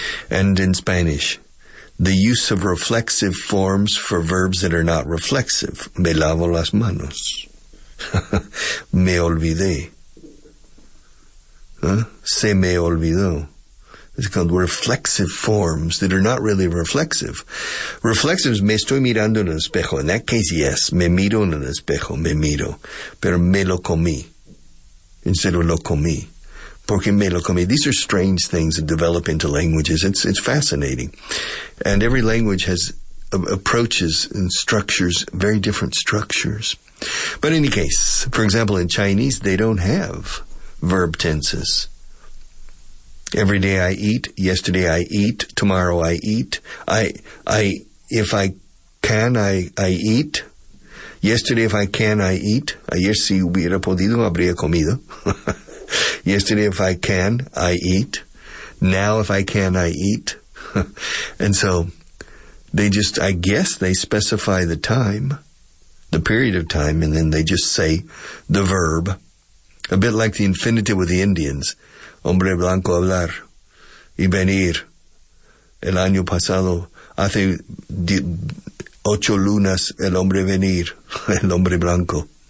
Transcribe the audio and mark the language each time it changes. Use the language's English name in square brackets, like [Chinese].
[English] And in Spanish, the use of reflexive forms for verbs that are not reflexive. [Spanish] Me lavo las manos. Me olvidé. Se me olvidó. [English] It's called reflexive forms that are not really reflexive. Reflexive is [Spanish] me estoy mirando en el espejo. [English] In that case, yes, [Spanish] me miro en el espejo, me miro. Pero me lo comí [English] instead of [Spanish] lo comí. Porque me lo comí. [English] These are strange things that develop into languages. It's fascinating. And every language has approaches and structures, very different structures. But in any case, for example, in Chinese, they don't have verb tenses. Every day I eat, yesterday I eat, tomorrow I eat. If I can, I eat. Yesterday, if I can, I eat. [Spanish] Ayer, si hubiera podido, habría comido. [English] Yesterday, if I can, I eat. Now, if I can, I eat. And so, they specify the time, the period of time, and then they just say the verb. A bit like the infinitive with the Indians. [Spanish] Hombre blanco hablar y venir. El año pasado, hace 8 lunas, el hombre venir, el hombre blanco.